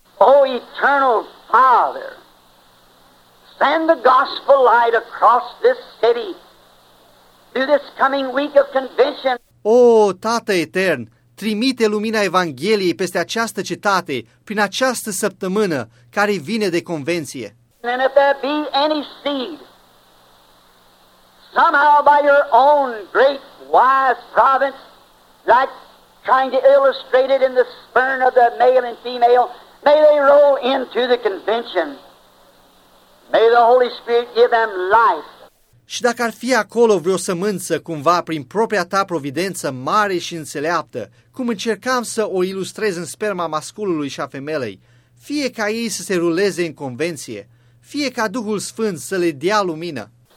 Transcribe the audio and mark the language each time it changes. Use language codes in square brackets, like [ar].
[en] O Eternal Father, send the gospel light across this city through this coming week of convention. [ro] O Tată Etern, trimite lumina Evangheliei peste această cetate prin această săptămână care vine de convenție. [en] And if there be any seed, somehow by your own great wise providence, like trying to illustrate it in the spurn of the male and female, may they roll into the convention. May the Holy Spirit give them life. [ro] Și dacă ar fi acolo vreo sămânță, cumva prin propria ta providență mare și înțeleaptă, cum încercam să o ilustrez în sperma masculului și a femelei, fie ca ei să se ruleze în convenție, fie ca Duhul Sfânt să le dea lumină.